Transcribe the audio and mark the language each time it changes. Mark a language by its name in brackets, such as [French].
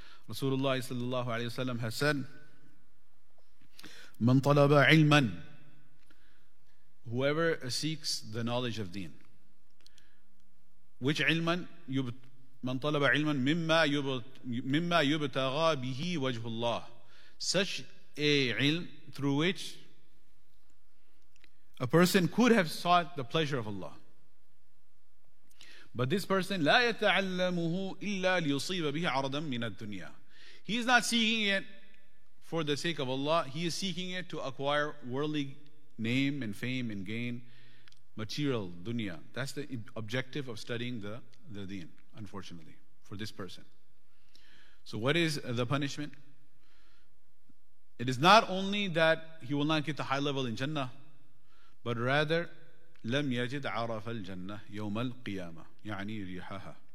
[English] Rasulullah sallallahu alayhi wasallam has said, [Arabic] "Man talaba ilman," [English] whoever seeks the knowledge of deen. Which ilman? [Arabic] Man talaba ilman mimma yubtagha bihi wajhullah. [English] Such a ilm through which a person could have sought the pleasure of Allah. But this person, [Arabic] لا يتعلمه إلا ليصيب به عرضا من الدنيا. [English] He is not seeking it for the sake of Allah. He is seeking it to acquire worldly name and fame and gain material dunya. That's the objective of studying the deen, unfortunately, for this person. So what is the punishment? It is not only that he will not get the high level in Jannah, but rather, [Arabic] لَمْ يَجِدْ عَرَفَ الْجَنَّةِ يَوْمَ الْقِيَامَةِ يَعْنِي رِيحَهَا.